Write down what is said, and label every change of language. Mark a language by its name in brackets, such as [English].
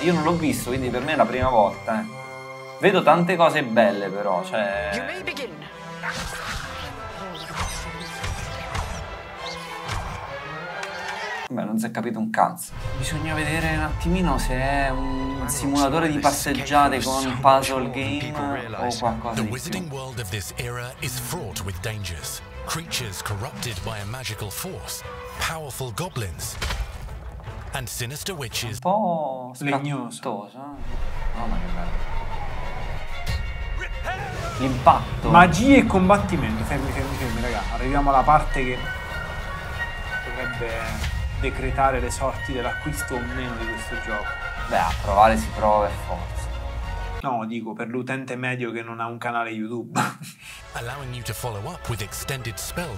[Italian] Io non l'ho visto, quindi per me è la prima volta. Vedo tante cose belle, però, cioè... Beh, non si è capito un cazzo. Bisogna vedere un attimino se è un simulatore di passeggiate con puzzle game o qualcosa di più. [English] The wizarding world of this era is fraught with dangers. Creatures corrupted by a magical force, powerful goblins and sinister witches. [Italian] Un po' legnoso. Oh, ma che bello. L'impatto. Magia e combattimento. Fermi, raga. Arriviamo alla parte che dovrebbe decretare le sorti dell'acquisto o meno di questo gioco. Beh, a provare si prova e forza. No, dico, per l'utente medio che non ha un canale YouTube. [English] Allowing you to follow up with extended spell